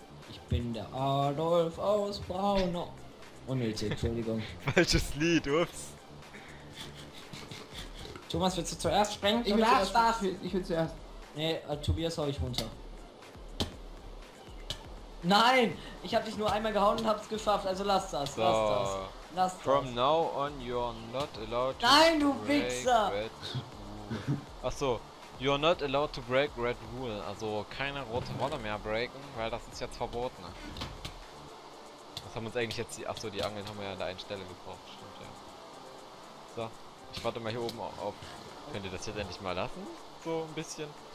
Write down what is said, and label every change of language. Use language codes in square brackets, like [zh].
[de] Ich bin der Adolf aus Braunau. Unnötig, Entschuldigung. Falsches Lied, ups. Thomas, willst du zuerst sprengen? Ich will zuerst. Ich will zuerst. Nee, Tobias, hau ich runter. Nein! Ich hab dich nur einmal gehauen und hab's geschafft, also lass das. So. Lass das. [en] From now on, you're not allowed to. [de] Nein, du Wichser! Red... Achso, [en] you're not allowed to break Red Rule. [de] Also keine rote Rolle mehr breaken, weil das ist jetzt verboten. Was haben wir uns eigentlich jetzt die. Achso, die Angeln haben wir ja an der einen Stelle gebraucht. Stimmt, ja. So, ich warte mal hier oben auf. Könnt ihr das jetzt endlich mal lassen? So ein bisschen.